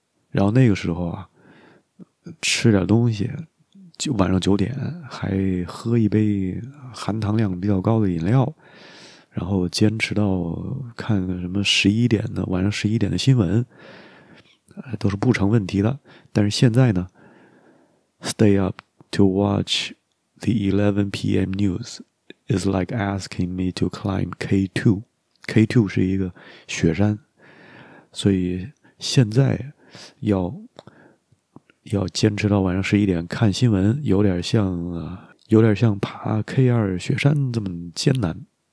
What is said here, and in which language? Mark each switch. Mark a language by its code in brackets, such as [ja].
[zh] 然后那个时候啊，吃点东西就晚上9点，还喝一杯含糖量比较高的饮料，然后坚持到看个什么11点的晚上11点的新闻，都是不成问题的。但是现在呢， [en] stay up to watch the 11 p.m. news is like asking me to climb K2 [zh] 是一个雪山，所以现在要坚持到晚上11点看新闻，有点像爬 K2 雪山这么艰难。